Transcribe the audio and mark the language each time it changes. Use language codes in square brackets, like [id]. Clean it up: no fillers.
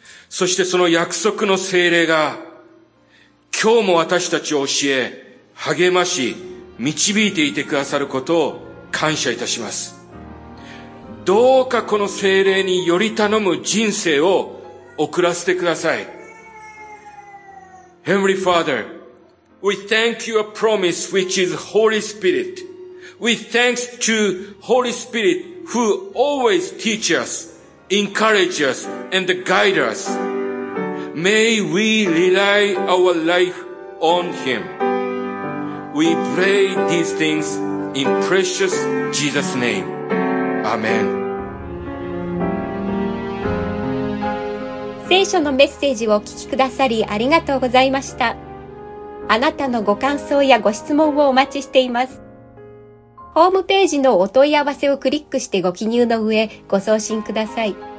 [ja] そしてその約束の聖霊が今日も私たちを教え、励まし、導いていてくださることを感謝いたします。どうかこの聖霊により頼む人生を送らせてください。 [en] Heavenly Father, we thank your promise which is Holy Spirit. We thanks to Holy Spirit who always teach us, encourage us, and guide us. May we rely our life on Him. We pray these things in precious Jesus' name. Amen. [ja] 聖書のメッセージをお聞きくださりありがとうございました。あなたのご感想やご質問をお待ちしています。ホームページのお問い合わせをクリックしてご記入の上、ご送信ください。